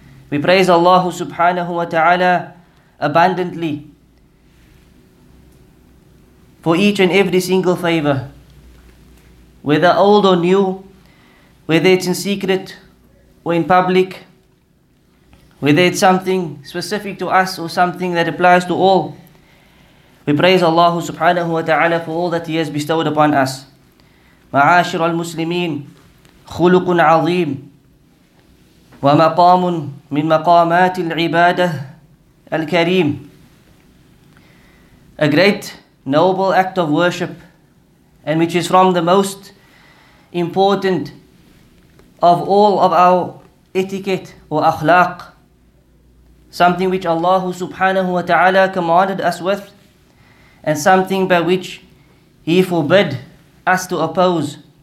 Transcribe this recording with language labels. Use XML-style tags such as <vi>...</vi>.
<en>We praise Allah subhanahu wa ta'ala abundantly for each and every single favor, whether old or new, whether it's in secret or in public, whether it's something specific to us or something that applies to all. We praise Allah subhanahu wa ta'ala for all that He has bestowed upon us.</en> <ar>Ma'ashir al-Muslimin, خلق عظيم ومقام من مقامات العبادة الكريم.</ar> <en>A great noble act of worship, and which is from the most important of all of our etiquette or akhlaq, something which Allah subhanahu wa ta'ala commanded us with, and something by which He forbid us to oppose.</en>